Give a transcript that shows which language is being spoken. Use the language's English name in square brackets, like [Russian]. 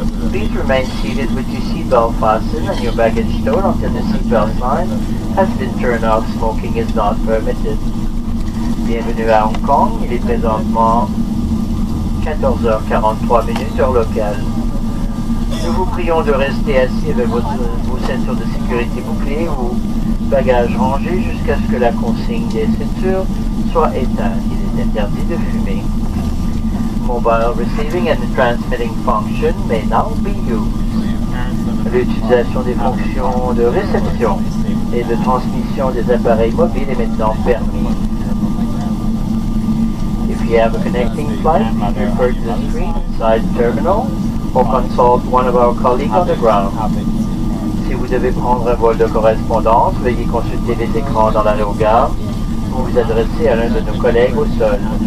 [English] Please remain seated with your seatbelt fastened and your baggage stowed until the seatbelt sign has been turned off. Smoking is not permitted. [French] Bienvenue à Hong Kong, il est présentement 14h43 minutes heure locale. Nous vous prions de rester assis avec vos ceintures de sécurité bouclées ou bagages rangés jusqu'à ce que la consigne des ceintures soit éteinte. Il est interdit de fumer. [English] Mobile receiving and transmitting function may now be used. [French] L'utilisation des fonctions de réception et de transmission des appareils mobiles est maintenant permise. [English] If you have a connecting flight, refer to the screen inside the terminal or consult one of our colleagues on the ground. [French] Si vous devez prendre un vol de correspondance, veuillez consulter les écrans dans l'aérogare ou vous adresser à l'un de nos collègues au sol.